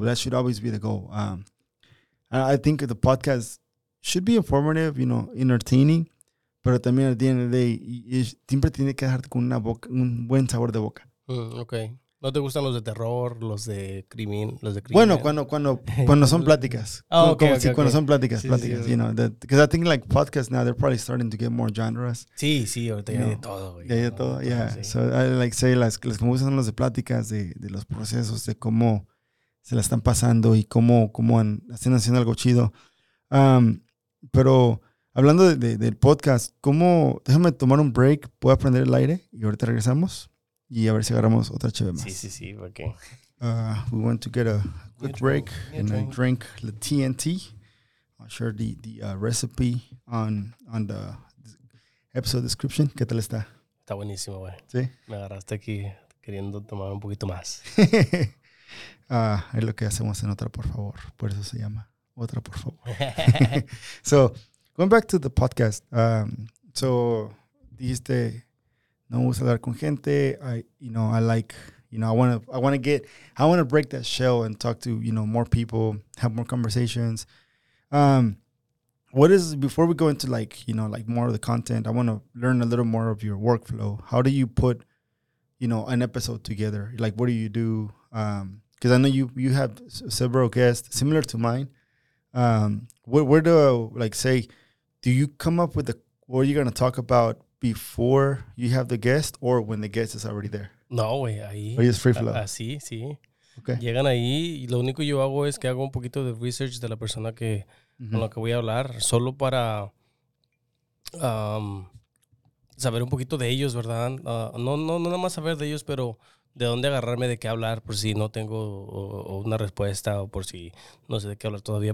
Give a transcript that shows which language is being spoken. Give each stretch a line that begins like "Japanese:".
English: That should always be the goal. I think the podcast should be informative, you know, entertaining,
Spanish: pero también
English: at the end of the day,
Spanish: siempre tiene que dejarte con un buen sabor de boca.
English: Okay.
Spanish: ¿No te gustan los de terror, los de crimen, Bueno, cuando son pláticas. Cuando son pláticas, sí. You know.
English: Because I think like podcasts now, they're probably starting to get more genres.
Spanish: Sí, ahorita hay de todo. Ya hay de todo, Sí.
English: So I like say,
Spanish: las que me gustan son los de pláticas, de los procesos, de cómo se la están pasando y cómo están haciendo algo chido. Pero hablando del podcast, déjame tomar un break, voy a prender el aire y ahorita regresamos. Y a ver si agarramos otra cheve más. Sí, ok.
English: We want to get a quick break and a drink the TNT. I'll share the recipe on the episode description.
Spanish: ¿Qué tal está? Está buenísimo, güey. Sí. Me agarraste aquí queriendo tomar un poquito más. Es lo que hacemos en Otra, por favor. Por eso se llama Otra, por favor.
English: So, going back to the podcast.
Spanish: So, dijiste, no me gusta hablar con gente.
English: I want to break that shell and talk to, you know, more people, have more conversations. Before we go into like, you know, like more of the content, I want to learn a little more of your workflow. How do you put, you know, an episode together? Like, what do you do? Because I know you have several guests similar to mine. Where do I, like, say, do you come up with what are you going to talk about before you have the guest or when the guest is already there?
Spanish: No, güey, ahí. Oye, es free flow. Así, sí. Okay. Llegan ahí y lo único que yo hago es que hago un poquito de research de la persona que mm-hmm. con la que voy a hablar, solo para saber un poquito de ellos, ¿verdad? No nada más saber de ellos, pero de dónde agarrarme, de qué hablar, por si no tengo una respuesta o por si no sé de qué hablar todavía.